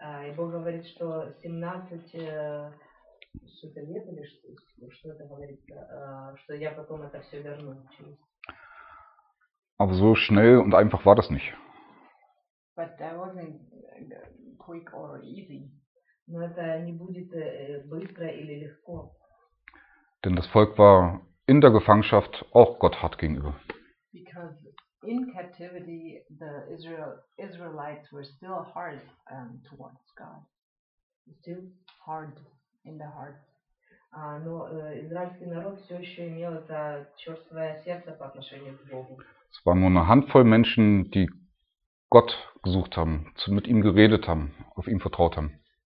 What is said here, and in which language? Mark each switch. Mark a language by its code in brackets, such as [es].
[ru] И Бог говорит, что 17 что-то лет или что это говорит, что я потом это все верну. [de] Aber so schnell und einfach war das nicht. [en] But that wasn't quick or easy. [ru] Но это не будет быстро или легко. [de] Denn das Volk war in der Gefangenschaft auch Gott hart gegenüber. [en] Because in captivity the Israelites were still hard towards God. Still hard in the heart. [ru] Израильский народ все еще имел это черствое сердце по отношению к Богу. [de] Es waren nur eine Handvoll Menschen, die Gott gesucht haben, mit ihm geredet haben, auf ihn vertraut haben.